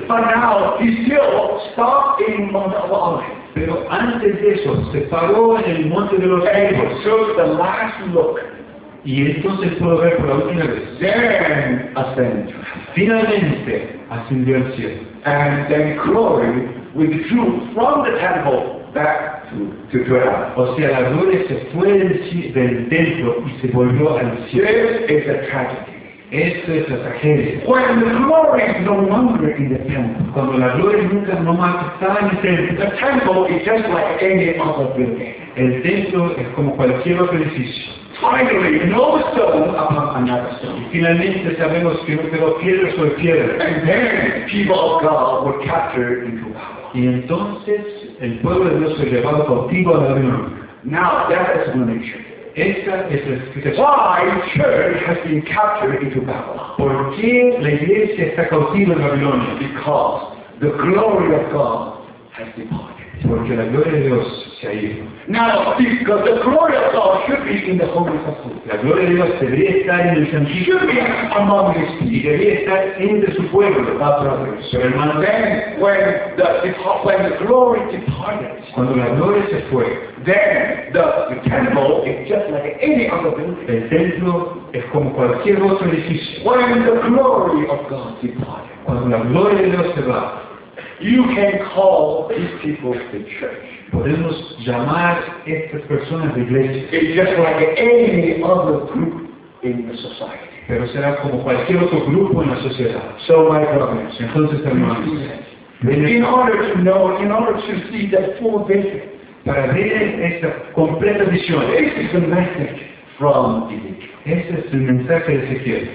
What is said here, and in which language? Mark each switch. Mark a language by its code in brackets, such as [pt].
[en] But now he still stopped in Mount Olivet. [es] Pero antes de eso se paró en el monte de los [en] olivos. And took the last look. [es] Y entonces pudo ver por la última vez. [en] Then ascend. [es] Finalmente ascendió al cielo. [en] And then glory withdrew from the temple back to heaven. [es] O sea, la gloria se fue del templo y se volvió al cielo. [en] This is a tragedy. [es] Esto es la tragedia. [en] When the glory is no longer in the temple. [es] Cuando la gloria nunca no más está en el templo. [en] The temple is just like any other building. [es] El templo es como cualquier otro edificio. [en] Finally, no stone upon another stone. [es] Finalmente sabemos que no quedó piedra sobre piedra. [en] And then people of God were captured into Babylon. [es] Y entonces el pueblo de Dios fue llevado cautivo a Babilonia. [en] Now that explanation. [es] Esta es la explicación. [en] Why church has been captured into Babylon? [es] ¿Por qué la iglesia está cautiva en Babilonia? [en] Because the glory of God has departed. [es] Porque la gloria de Dios se ha ido. [en] Now, because the glory of God should be in the holy temple. [es] La gloria de Dios debería estar en el santuario. [en] Should be among his people. [es] Debería estar entre su pueblo. [en] Hermano, then when the glory departed. [es] Cuando la gloria se fue. [en] Then the temple is just like any other building. [es] El templo es como cualquier otro edificio. [en] When the glory of God departed. [es] Cuando la gloria de Dios se va. [en] You can call these people the church. [es] Podemos llamar estas personas de iglesia. [en] It's just like any other group in the society. [es] Pero será como cualquier otro grupo en la sociedad. [en] So my brothers, [es] entonces hermanos, [en] in order to see that full vision, [es] para ver esta completa visión, [en] this is the message from Ezekiel. [es] Este es el mensaje de Ezekiel.